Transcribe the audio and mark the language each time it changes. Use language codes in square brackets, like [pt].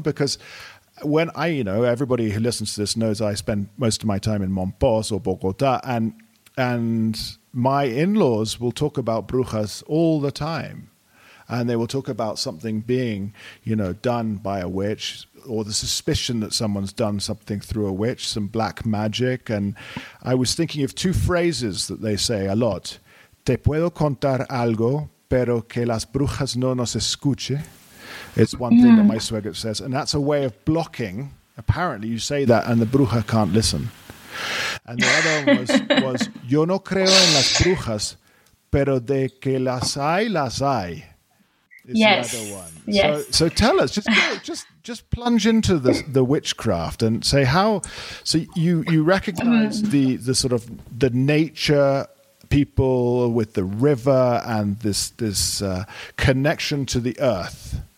[en] Because when I, you know, everybody who listens to this knows I spend most of my time in Mompox or Bogota, and my in-laws will talk about brujas all the time. And they will talk about something being, you know, done by a witch, or the suspicion that someone's done something through a witch, some black magic. And I was thinking of two phrases that they say a lot. [es] Te puedo contar algo, pero que las brujas no nos escuche. [en] It's one thing that my swagger says, and that's a way of blocking. Apparently, you say that, and the bruja can't listen. [es] And the other one was, yo no creo en las brujas, pero de que las hay, [en] is yes. The other one. Yes. So tell us, just plunge into the witchcraft and say how, so you recognize the sort of the nature people with the river and this connection to the earth.